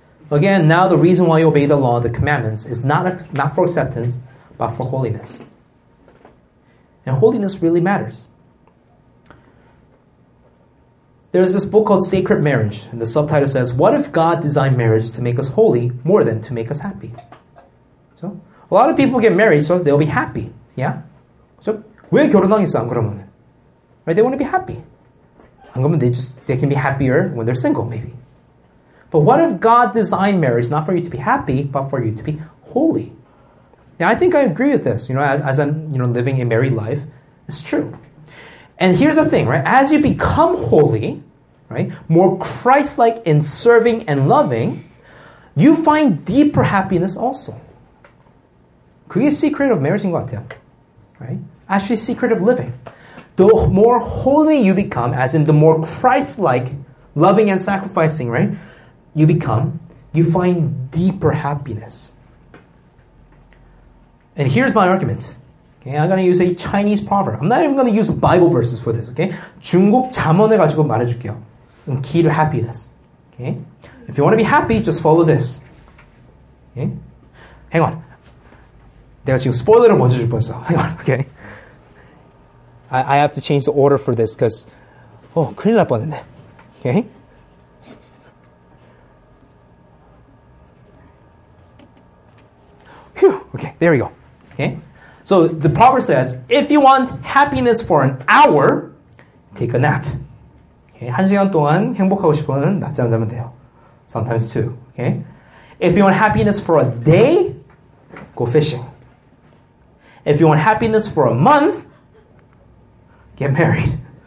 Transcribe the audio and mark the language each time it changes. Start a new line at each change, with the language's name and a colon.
English: Again, now the reason why you obey the law, the commandments, is not for acceptance, but for holiness. And holiness really matters. There's this book called Sacred Marriage, and the subtitle says, "What if God designed marriage to make us holy more than to make us happy?" So, a lot of people get married so they'll be happy, yeah?
Korean: So, 왜 결혼하겠어, 안 그러면?
English: Right, they want to be happy.
Korean: 안 그러면
English: they can be happier when they're single, maybe. But what if God designed marriage not for you to be happy, but for you to be holy? Now, I think I agree with this, you know, as I'm, you know, living a married life. It's true. And here's the thing, right? As you become holy, right, more Christ-like in serving and loving, you find deeper happiness also.
Korean: 그게
English: secret of marriage
Korean: 인 것 같아요.
English: Right? Actually, secret of living. The more holy you become, as in the more Christ-like, loving and sacrificing, right, you become, you find deeper happiness. And here's my argument. Okay, I'm going to use a Chinese proverb. I'm not even going to use Bible verses for this. Okay?
Korean: 중국 자문을 가지고 말해줄게요.
English: Key to happiness. Okay? If you want to be happy, just follow this. Okay? Hang on.
Korean: 내가 지금 스포일러를 먼저 줄 뻔했어.
English: Okay. I have to change the order for this because, oh,
Korean: 큰일 날 뻔했네.
English: Okay. Phew. Okay, there we go. Okay. So the proverb says, if you want happiness for an hour, take a nap. Okay.
Korean: 한 시간 동안 행복하고 싶으면 낮잠 자면 돼요.
English: Sometimes two. Okay. If you want happiness for a day, go fishing. If you want happiness for a month, get married.